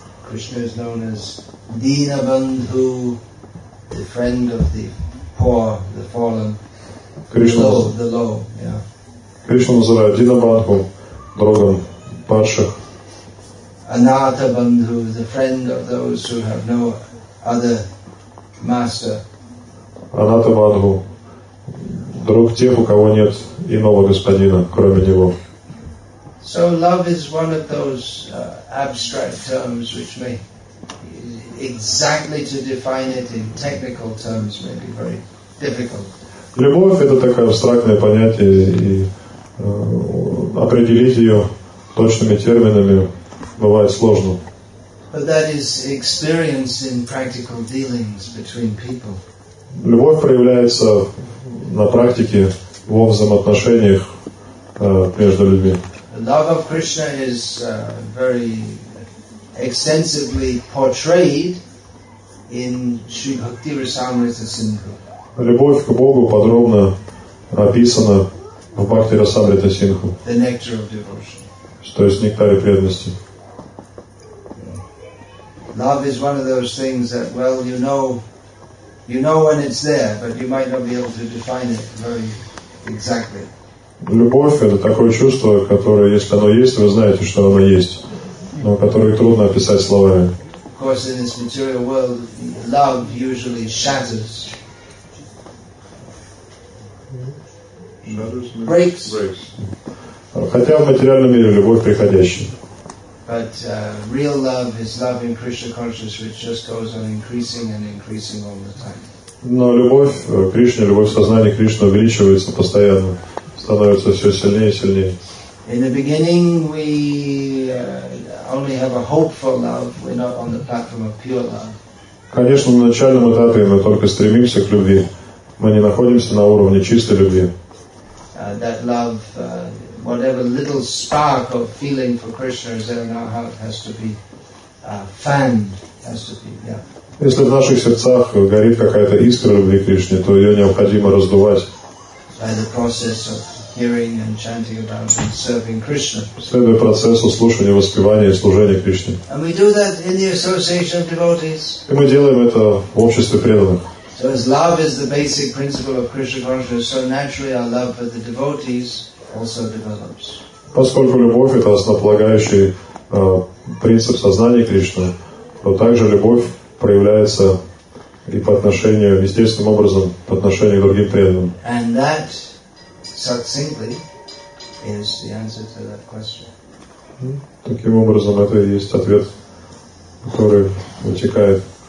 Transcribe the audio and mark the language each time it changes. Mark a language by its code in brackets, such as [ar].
[en] Krishna is known as Dinabandhu, the friend of the poor, the fallen. Krishna, the low, yeah. [ru] Кришна называют Динабандху другом. [en] Anatha Bandhu, the friend of those who have no other master. [ru] Анатамадху, друг тех, у кого нет иного господина, кроме него. [en] So love is one of those abstract terms which may exactly to define it in technical terms may be very difficult. [ru] Любовь это такое абстрактное понятие, и определить ее точными терминами бывает сложно. [en] But that is experience in practical dealings between people. [ru] Любовь проявляется на практике во взаимоотношениях между людьми. [en] Love of Krishna is very extensively portrayed in Shri Bhaktirasamrita Sindhu. [ru] Любовь к Богу подробно описана в Бхактирасамрита Сингху. [en] The nectar of devotion. [ru] То есть нектаре преданности. [en] Love is one of those things that, well, you know when it's there, but you might not be able to define it very exactly. [ru] Любовь – это такое чувство, которое, если оно есть, вы знаете, что оно есть, но которое трудно описать словами. [en] Of course, in this material world, love usually shatters. Breaks. [ru] Хотя в материальном мире любовь приходящая. [en] But real love is love in Krishna consciousness, which just goes on increasing and increasing all the time. [ru] Но любовь Кришне, любовь в сознании Кришны увеличивается постоянно. Становится все сильнее и сильнее. [en] In the beginning, we only have a hopeful love. We're not on the platform of pure love. [ru] Конечно, на начальном этапе мы только стремимся к любви. Мы не находимся на уровне чистой любви. [en] That love, whatever little spark of feeling for Krishna is there in our heart, has to be fanned. Has to be, yeah. [ru] Если в наших сердцах горит какая-то искра любви к Кришне, то ее необходимо раздувать. [en] By the process of hearing and chanting about and serving Krishna. [ru] Следуя процессу слушания, воспевания и служения Кришне. [en] And we do that in the association of devotees. [ru] И мы делаем это в обществе преданных. [en] So as love is the basic principle of Krishna consciousness, so naturally our love for the devotees also develops. [ru] Поскольку любовь это основополагающий принцип сознания Кришны, то также любовь проявляется и по отношению, естественным образом, по отношению к другим преданным. [en] And that, succinctly, is the answer to that question. [ru] Таким образом, это и есть ответ, который вытекает.